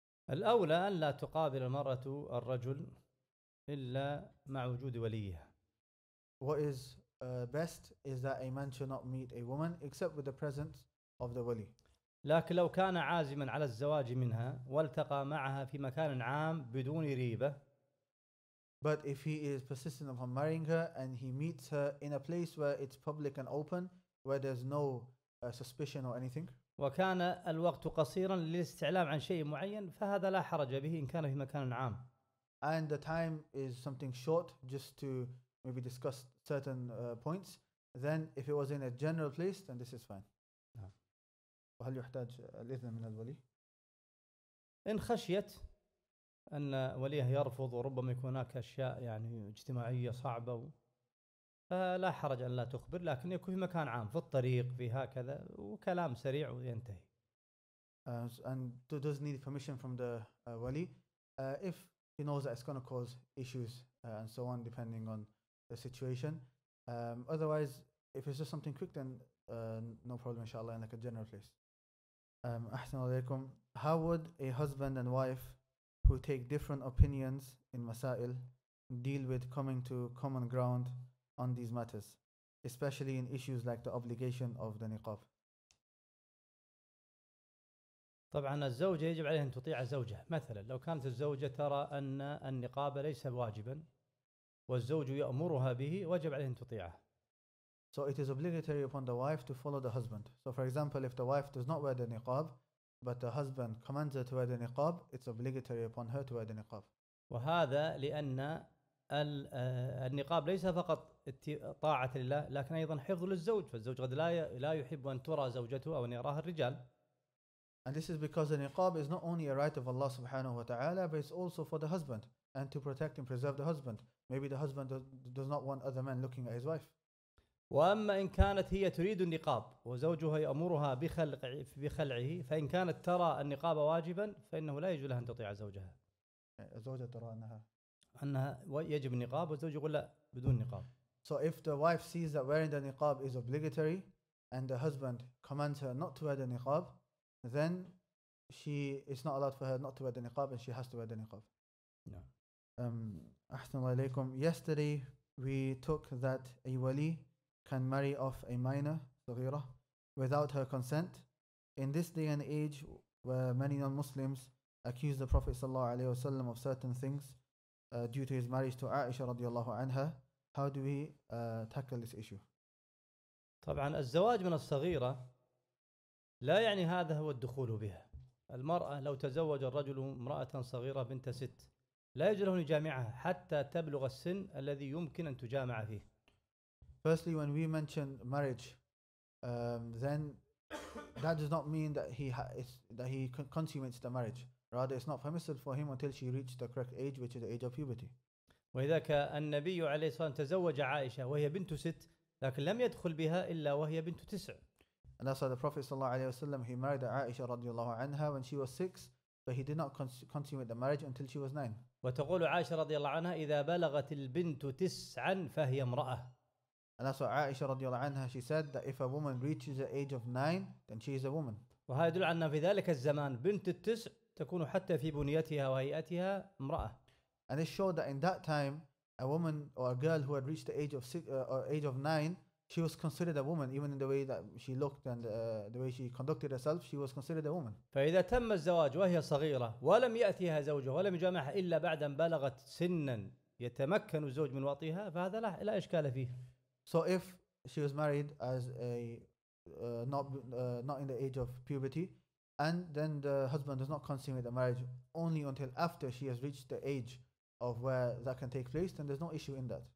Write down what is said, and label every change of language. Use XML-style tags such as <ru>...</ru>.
<ar>الأولى أن لا تقابل المرأة الرجل إلا مع وجود وليها.</ar> <en>What is best is that a man should not meet a woman except with the presence of the wali.</en> <ar>لكن لو كان عازما على الزواج منها والتقى معها في مكان عام بدون ريبة.</ar> <en>But if he is persistent upon marrying her and he meets her in a place where it's public and open, where there's no suspicion or anything.</en> <ar>وكان الوقت قصيرا للاستعلام عن شيء معين فهذا لا حرج به إن كان في مكان عام.</ar> <en>And the time is something short just to maybe discuss certain points, then if it was in a general place, then this is fine.</en> <ar>وهل يحتاج الإذن من الولي؟ إن خشيت أن وليه يرفض وربما يكون هناك أشياء يعني اجتماعية صعبة فلا حرج أن لا تخبر، لكن يكون في مكان عام في الطريق في هكذا وكلام سريع وينتهي.</ar> <en>And do does need permission from the wali if he knows that it's going to cause issues and so on depending on the situation. Otherwise if it's just something quick then no problem inshallah in like a general place.</en> <ar>أحسن عليكم.</ar> <en>How would a husband and wife who take different opinions in masail deal with coming to common ground on these matters, especially in issues like the obligation of the niqab?</en> <ar>طبعا الزوجة يجب عليها أن تطيع زوجها. مثلا لو كانت الزوجة ترى أن النقاب ليس واجبا والزوج يأمرها به وجب عليها أن تطيعه.</ar> <en>So it is obligatory upon the wife to follow the husband. So for example, if the wife does not wear the niqab, but the husband commands her to wear the niqab, it's obligatory upon her to wear the niqab.</en> <ar>وهذا لأن النقاب ليس فقط طاعة لله لكن أيضا حفظ للزوج، فالزوج قد لا يحب أن ترى زوجته أو أن يراها الرجال.</ar> <en>And this is because the niqab is not only a right of Allah</en> <ar>subhanahu wa ta'ala,</ar> <en>but it's also for the husband and to protect and preserve the husband. Maybe the husband does not want other men looking at his wife.</en> <ar>وأما إن كانت هي تريد النقاب وزوجها يأمرها بخلعه، فإن كانت ترى النقاب واجبا فإنه لا يجوز لها أن تطيع زوجها. زوجة ترى أنها يجب النقاب والزوج يقول لا بدون نقاب.</ar> <en>So if the wife sees that wearing the niqab is obligatory and the husband commands her not to wear the niqab, then she it's not allowed for her not to wear the niqab and she has to wear the niqab. No.</en> <ar>أحسن الله إليكم.</ar> <en>Yesterday we took that a wali can marry off a minor, صغيرة, without her consent. In this day and age where many non-Muslims accuse the Prophet</en> <ar>sallallahu alaihi wasallam</ar> <en>of certain things due to his marriage to Aisha</en> <ar>radiallahu anha,</ar> <en>how do we tackle this issue?</en> <ar>طبعا الزواج من الصغيرة لا يعني هذا هو الدخول بها. المرأة لو تزوج الرجل امرأة صغيرة بنت ست لا يجوز أن يجامعها حتى تبلغ السن الذي يمكن أن تجامع فيه.</ar> <en>Firstly, when we mention marriage, then that does not mean that he consummates the marriage. Rather, it's not permissible for him until she reached the correct age, which is the age of puberty.</en> <ar>وإذاك النبي عليه الصلاة والسلام تزوج عائشة وهي بنت ست لكن لم يدخل بها إلا وهي بنت تسع.</ar> <en>And also the Prophet</en> <ar>صلى الله عليه وسلم,</ar> <en>he married Aisha</en> <ar>رضي الله عنها</ar> <en>when she was six, but he did not consummate the marriage until she was nine.</en> <ar>وتقول عائشة رضي الله عنها إذا بلغت البنت تسعا فهي امرأة.</ar> <en>And also Aisha</en> <ar>رضي الله عنها,</ar> <en>she said that if a woman reaches the age of nine, then she is a woman.</en> <ar>وهذا يدل على أن في ذلك الزمان بنت التسع تكون حتى في بنيتها وهيئتها امرأة.</ar> <en>And it showed that in that time, a woman or a girl who had reached the age of six, or age of nine, she was considered a woman, even in the way that she looked and the way she conducted herself, she was considered a woman.</en> <ar>فإذا تم الزواج وهي صغيرة ولم يأتيها زوجها ولم يجامعها إلا بعد أن بلغت سنا يتمكن الزوج من وطيها فهذا لا إشكال فيه.</ar> <en>So if she was married as a not in the age of puberty, and then the husband does not consummate the marriage only until after she has reached the age of where that can take place, then there's no issue in that.</en>